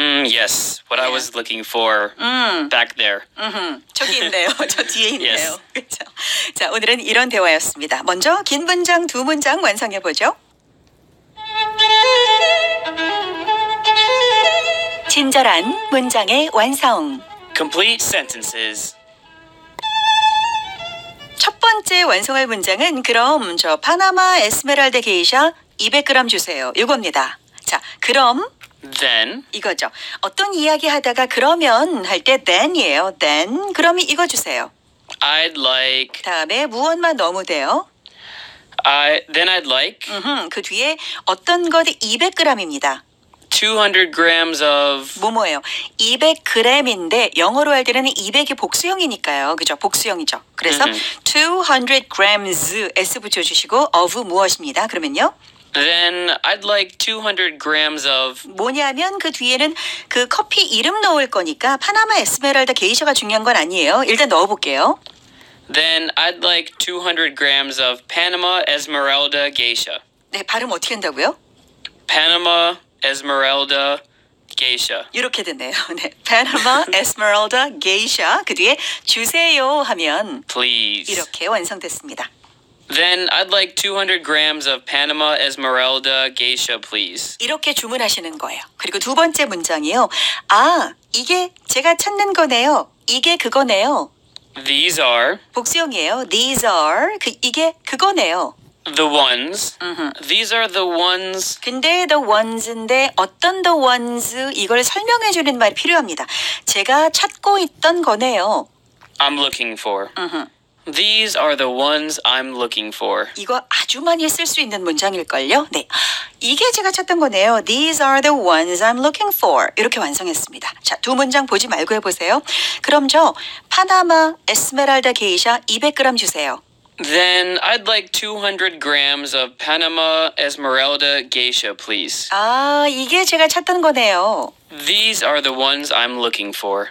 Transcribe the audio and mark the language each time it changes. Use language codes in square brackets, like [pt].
[en] Yes, what I was looking for back there. [ko] 저기 있네요. 저 뒤에 있네요. 그렇죠. 자, 오늘은 이런 대화였습니다. 먼저 긴 문장 두 문장 완성해 보죠. 친절한 문장의 완성. [en] Complete sentences. [ko] 첫 번째 완성할 문장은 그럼 저 파나마 에스메랄드 게이샤 200g 주세요. 이겁니다. 자, 그럼 [en] Then [ko] 이거죠. 어떤 이야기 하다가 그러면 할 때 then이에요. Then 그러면 이거 주세요. [en] I'd like [ko] 다음에 무언만 너무 돼요. [en] Then I'd like [ko] 그 뒤에 어떤 것 200g입니다. [en] 200 grams of [ko] 뭐뭐예요? 200g인데 영어로 할 때는 200이 복수형이니까요. 그죠? 복수형이죠. 그래서 200 grams s 붙여주시고 of 무엇입니다. 그러면요? [en] Then I'd like 200 grams of [ko] 뭐냐면 그 뒤에는 그 커피 이름 넣을 거니까 파나마 에스메랄다 게이샤가 중요한 건 아니에요. 일단 넣어볼게요. [en] Then I'd like 200 grams of Panama Esmeralda Geisha. [ko] 네, 발음 어떻게 한다고요? [en] Panama Esmeralda Geisha. [ko] 이렇게 됐네요. 네, Panama Esmeralda Geisha. 그 뒤에 주세요 하면 [en] Please. [ko] 이렇게 완성됐습니다. [en] Then I'd like 200 grams of Panama Esmeralda Geisha, please. [ko] 이렇게 주문하시는 거예요. 그리고 두 번째 문장이요. 아, 이게 제가 찾는 거네요. 이게 그거네요. [en] These are [ko] 복수형이에요. [en] These are [ko] 그 이게 그거네요. [en] The ones. These are the ones. [ko] 근데 [en] the ones [ko] 인데 어떤 the ones 이걸 설명해 주는 말이 필요합니다. 제가 찾고 있던 거네요. [en] I'm looking for. These are the ones I'm looking for. [ko] 이거 아주 많이 쓸 수 있는 문장일걸요? 네, 이게 제가 찾던 거네요. [en] These are the ones I'm looking for. [ko] 이렇게 완성했습니다. 자, 두 문장 보지 말고 해보세요. 그럼 저 파나마 에스메랄다 게이샤 200g 주세요. [en] Then I'd like 200 grams of Panama Esmeralda Geisha, please. [ko] 아, 이게 제가 찾던 거네요. [en] These are the ones I'm looking for.